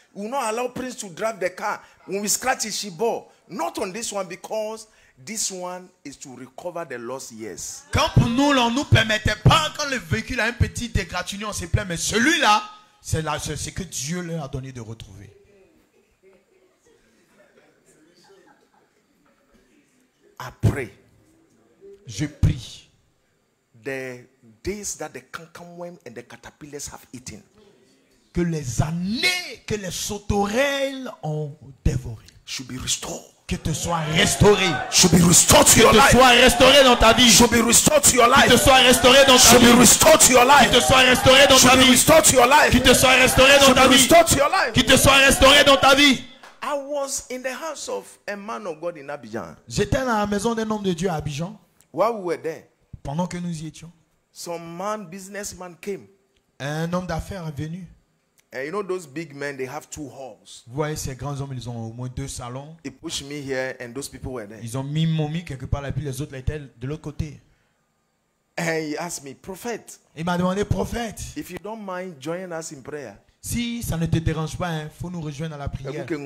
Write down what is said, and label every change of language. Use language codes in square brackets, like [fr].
[en] Will not allow Prince to drive the car when we scratch it? She bore not on this one because this one is to recover the lost years. [fr] Quand pour nous l'on nous permettait pas quand le véhicule a un petit dégratignon, on s'est plaint, mais celui-là, c'est là, c'est que Dieu leur a donné de retrouver. Après, je prie. [en] The days that the cankerworm and the caterpillars have eaten. [fr] Que les années que les sauterelles ont dévoré. [en] Should be restored. [fr] Que te soit restauré. [en] Should be restored to [fr] que [en] your life. [fr] Que te soit restauré dans ta vie. [en] Should be restored to your life. [fr] Que te soit restauré dans [en] should [fr] ta vie. [en] Should be restored to your life. [fr] Que te soit restauré dans [en] should [fr] ta vie. [en] Should be restored to your life. [fr] Que te soit restauré dans [en] should [fr] ta [en] be [fr] vie. [en] Should be restored to your life. [fr] Que te soit restauré dans ta vie. [en] I was in the house of a man of God in Abidjan. [fr] J'étais dans la maison d'un homme de Dieu à Abidjan. [en] While we were there. [fr] Pendant que nous y étions. [en] Some man businessman came. [fr] Un homme d'affaires est venu. [en] And you know those big men, they have two halls. [fr] Vous voyez ces grands hommes, ils ont au moins deux salons. [en] They pushed me here, and those people were there. [fr] Ils ont mis mon mis quelque part là, puis les autres là, étaient de l'autre côté. [en] And he asked me, prophet. [fr] Il m'a demandé, prophète. [en] If you don't mind joining us in prayer. [fr] Si ça ne te dérange pas, hein, faut nous rejoindre à la prière.